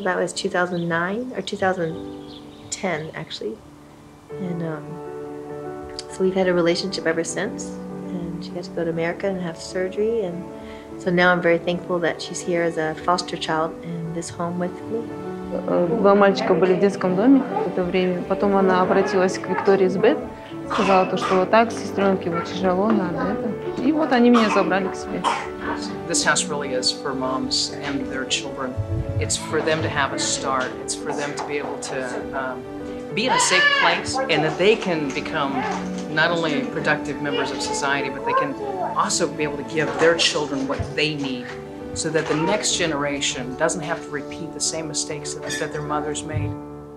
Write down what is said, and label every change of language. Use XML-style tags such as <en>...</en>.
<en>that was 2009 or 2010 actually, and so we've had a relationship ever since, and she got to go to America and have surgery, and so now I'm very thankful that she's here as a foster child in this home with me.</en> <ru>Два мальчика были в детском доме в это время. Потом она обратилась к Виктории с Бет, сказала то, что вот так сестренке вот тяжело, надо это. И вот они меня забрали к себе.</ru> <en>This house really is for moms and their children. It's for them to have a start. It's for them to be able to be in a safe place, and that they can become not only productive members of society, but they can also be able to give their children what they need, so that the next generation doesn't have to repeat the same mistakes that their mothers made.</en>